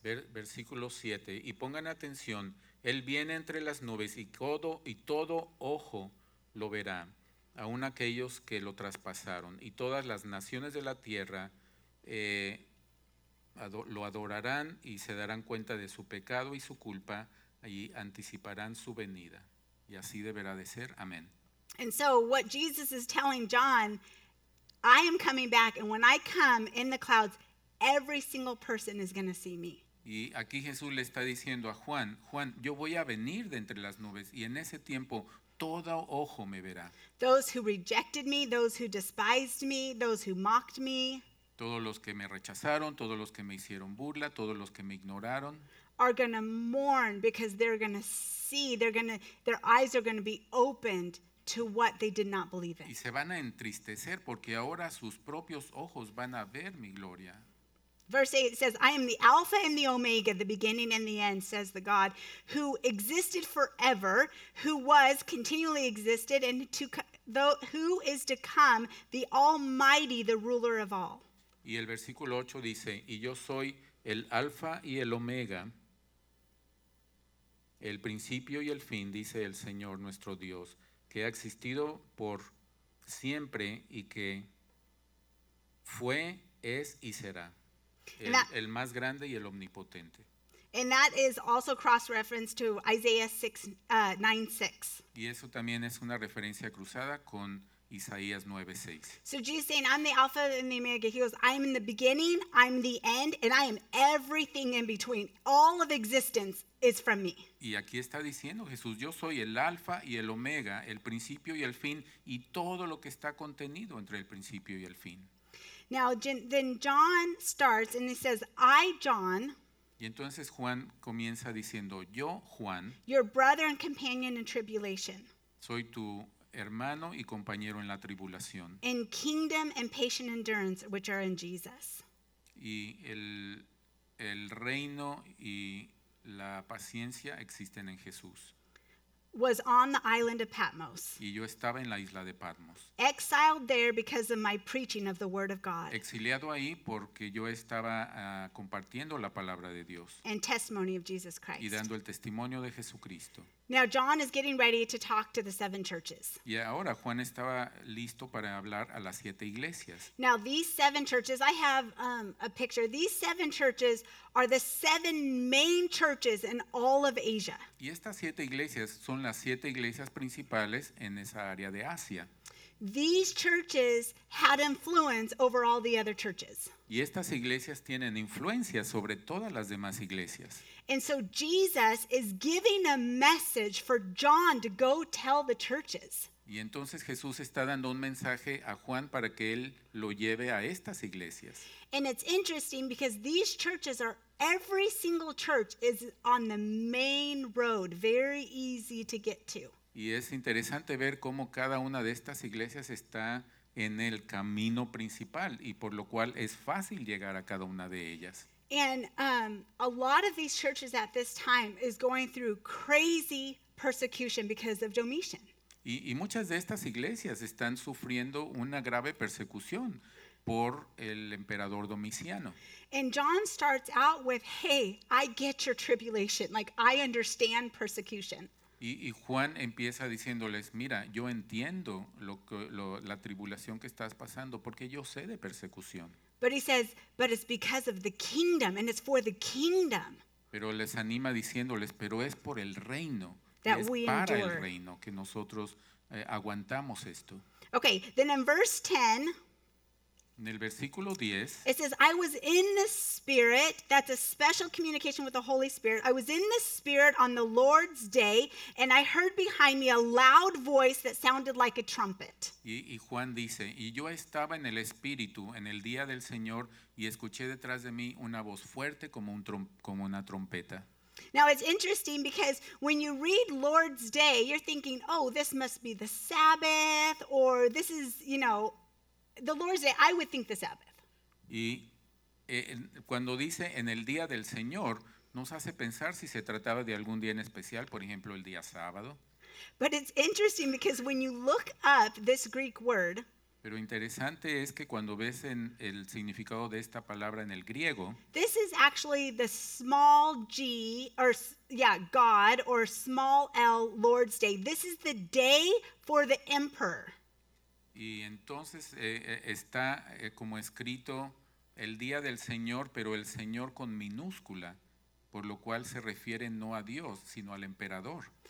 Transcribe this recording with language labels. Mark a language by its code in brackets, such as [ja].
[es] Versículo 7, y pongan atención, él viene entre las nubes y todo ojo lo verá, aun aquellos que lo traspasaron, y todas las naciones de la tierra lo adorarán y se darán cuenta de su pecado y su culpa y anticiparán su venida, y así deberá de ser. Amén. [en] And so what Jesus is telling John, I am coming back, and when I come in the clouds, every single person is going to see me. [es] Y aquí Jesús le está diciendo a Juan, Juan, yo voy a venir de entre las nubes y en ese tiempo todo ojo me verá. [en] Those who rejected me, those who despised me, those who mocked me. [es] Todos los que me rechazaron, todos los que me hicieron burla, todos los que me ignoraron. [en] Are going to mourn because they're going to see, their eyes are going to be opened to what they did not believe in. [es] Y se van a entristecer porque ahora sus propios ojos van a ver mi gloria. [en] Verse 8 says, I am the Alpha and the Omega, the beginning and the end, says the God, who existed forever, who was, continually existed, and who is to come, the Almighty, the ruler of all. [es] Y el versículo 8 dice, y yo soy el Alpha y el Omega, el principio y el fin, dice el Señor nuestro Dios, que ha existido por siempre y que fue, es y será el más grande y el omnipotente. [en] And that is also cross-referenced to Isaiah 9:6. [es] Y eso también es una referencia cruzada con Isaías 9:6. [en] So Jesus saying, I'm the Alpha and the Omega. He goes, I'm in the beginning, I'm the end, and I am everything in between. All of existence is from me. [es] Y aquí está diciendo Jesús, yo soy el Alpha y el Omega, el principio y el fin, y todo lo que está contenido entre el principio y el fin. [en] Now, then John starts and he says, I, John... [es] Y entonces Juan comienza diciendo, yo, Juan, [en] your brother and companion in tribulation, [es] soy tu hermano y compañero en la tribulación, [en] in kingdom and patient endurance, which are in Jesus. [es] Y el reino y la paciencia existen en Jesús. [en] Was on the island of Patmos. [es] Y yo estaba en la isla de Patmos. [en] Exiled there because of my preaching of the word of God. [es] Exiliado ahí porque yo estaba compartiendo la palabra de Dios. [en] And testimony of Jesus Christ. [es] Y dando el testimonio de Jesucristo. [en] Now John is getting ready to talk to the seven churches. [es] Y ahora Juan estaba listo para hablar a las siete iglesias. [en] Now these seven churches, I have a picture. These seven churches are the seven main churches in all of Asia. [es] Y estas siete iglesias son las siete iglesias principales en esa área de Asia. [en] These churches had influence over all the other churches. [es] Y estas iglesias tienen influencia sobre todas las demás iglesias. [en] And so Jesus is giving a message for John to go tell the churches. [es] Y entonces Jesús está dando un mensaje a Juan para que él lo lleve a estas iglesias. [en] And it's interesting because these churches are, every single church is on the main road, very easy to get to. [es] Y es interesante ver cómo cada una de estas iglesias está en el camino principal y por lo cual es fácil llegar a cada una de ellas. [en] And a lot of these churches at this time is going through crazy persecution because of Domitian. [es] Y muchas de estas iglesias están sufriendo una grave persecución por el emperador Domiciano. [en] And John starts out with, hey, I get your tribulation. Like, I understand persecution. [es] Y Juan empieza diciéndoles, mira, yo entiendo la tribulación que estás pasando porque yo sé de persecución. [en] But he says, but it's because of the kingdom and it's for the kingdom. [es] Pero les anima diciéndoles, pero es por el reino. [en] That we endure. [es] Es para el reino que nosotros aguantamos esto. [en] Okay, then in verse 10. [es] En el versículo 10. [en] It says, I was in the spirit. That's a special communication with the Holy Spirit. I was in the spirit on the Lord's day and I heard behind me a loud voice that sounded like a trumpet. [es] Y Juan dice, y yo estaba en el espíritu en el día del Señor y escuché detrás de mí una voz fuerte como como una trompeta. [en] Now it's interesting because when you read Lord's Day, you're thinking, oh, this must be the Sabbath, or this is, you know, the Lord's Day, I would think the Sabbath. [es] Y cuando dice en el día del Señor, nos hace pensar si se trataba de algún día en especial, por ejemplo, el día sábado. [en] But it's interesting because when you look up this Greek word, [es] pero interesante es que cuando ves en el significado de esta palabra en el griego, [en] this is actually the small g, or yeah, God, or small l, Lord's Day. This is the day for the emperor. [es] Y entonces está como escrito el día del Señor, pero el Señor con minúscula, por lo cual se refiere no a Dios, sino al emperador.